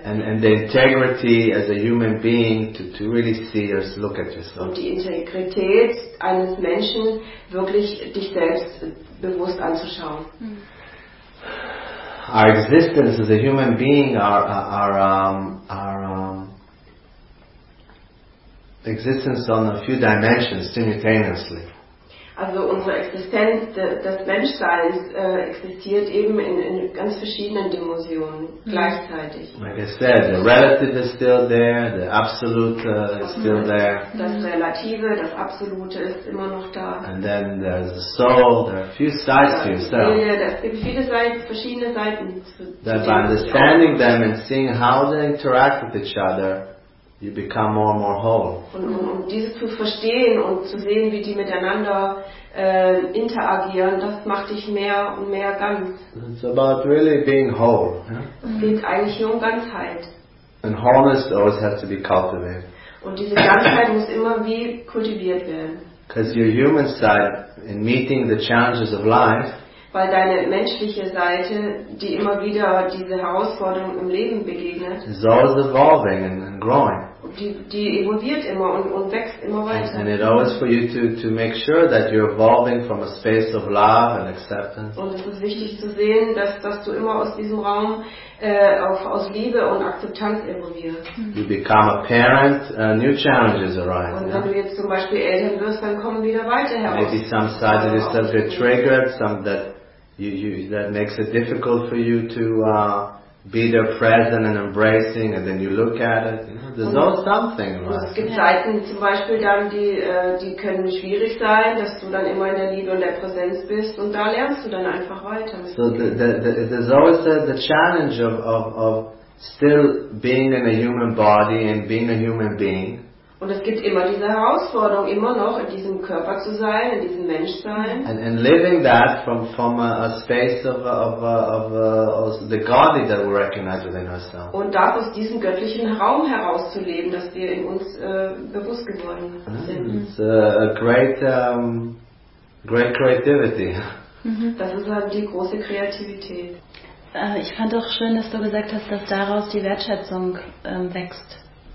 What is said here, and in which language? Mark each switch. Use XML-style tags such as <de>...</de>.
<en>And the integrity as a human being to really see or look at yourself.</en> <de>Und die Integrität eines Menschen, wirklich dich selbst bewusst anzuschauen.</de> <en>Our existence as a human being, our existence on a few dimensions simultaneously.</en> <de>Also unsere Existenz, das Menschsein existiert eben in ganz verschiedenen Dimensionen gleichzeitig.</de> <en>Like I said, the relative is still there, the absolute is still there.</en> <de>Das Relative, das Absolute ist immer noch da.</de> <en>And then there's the soul, there are a few sides to yourself.</en> <de>Es gibt viele Seiten, verschiedene Seiten.</de> <en>That by understanding them and seeing how they interact with each other, you become more and more whole.</en> <de>Und dieses zu verstehen und zu sehen, wie die miteinander interagieren, das macht dich mehr und mehr ganz.</de> <en>It's about really being whole.</en> <de>Es geht eigentlich nur um Ganzheit.</de> <en>And wholeness always has to be cultivated.</en> <de>Und diese Ganzheit muss immer wie kultiviert werden.</de> <en>Because your human side, in meeting the challenges of life,</en> <de>weil deine menschliche Seite, die immer wieder diese Herausforderung im Leben begegnet,</de> <en>is always evolving and growing.</en> <de>Die evolviert immer und wächst immer weiter.</de> <en>And it's always for you to make sure that you're evolving from a space of love and acceptance.</en> <de>Und es ist wichtig zu sehen, dass du immer aus diesem Raum aus Liebe und Akzeptanz evolvierst.</de> <en>You become a parent, new challenges arise.</en> <de>Und wenn du jetzt zum Beispiel Eltern wirst, dann kommen wieder weiter heraus.</de> <en>Maybe some side of yourself get triggered, some that you that makes it difficult for you to be there present and embracing, and then you look at it. There's always something.</en> <de>Es gibt Seiten zum Beispiel dann, die können schwierig sein, dass du dann immer in der Liebe und der Präsenz bist, und da lernst du dann einfach weiter.</de> <en>So there's always the challenge of still being in a human body and being a human being.</en> <de>Und es gibt immer diese Herausforderung, immer noch in diesem Körper zu sein, in diesem Menschsein.</de> <en>And living that from a space of the godly that we recognize within ourselves.</en> <de>Und das aus diesem göttlichen Raum herauszuleben, dass wir in uns bewusst geworden sind.</de> <en>It's a great creativity.</en> <de>Das ist halt die große Kreativität. Ich fand auch schön, dass du gesagt hast, dass daraus die Wertschätzung wächst.</de>